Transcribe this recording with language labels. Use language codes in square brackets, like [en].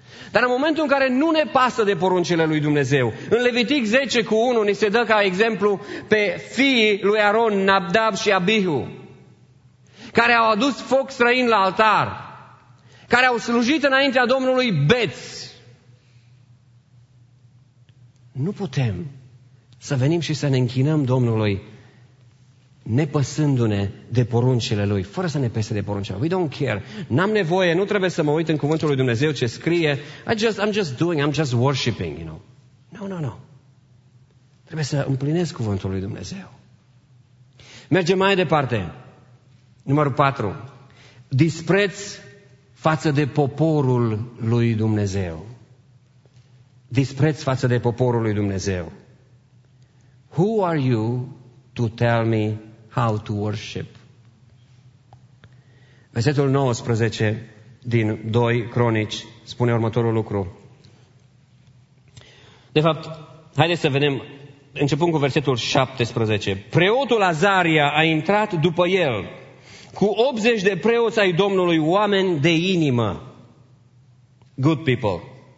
[ro] Dar în momentul în care nu ne pasă de poruncile lui Dumnezeu, în Levitic 10:1 ni se dă ca exemplu pe fiii lui Aaron, Nadab și Abihu, care au adus foc străin la altar, care au slujit înaintea Domnului beți. Nu putem să venim și să ne închinăm Domnului nepăsându-ne de poruncile Lui, fără să ne pese de poruncile Lui. [en] We don't care. [ro] N-am nevoie, nu trebuie să mă uit în cuvântul lui Dumnezeu ce scrie. [en] I'm just worshiping, you know. No. [ro] Trebuie să împlinesc cuvântul lui Dumnezeu. Mergem mai departe. Numărul 4. Dispreț față de poporul lui Dumnezeu. Dispreț față de poporul lui Dumnezeu. [en] Who are you to tell me how to worship? [ro] Versetul 19 din 2 Cronici spune următorul lucru. De fapt, haideți să vedem, începând cu versetul 17. Preotul Azaria a intrat după el cu 80 de preoți ai Domnului, oameni de inimă. [en] Good people.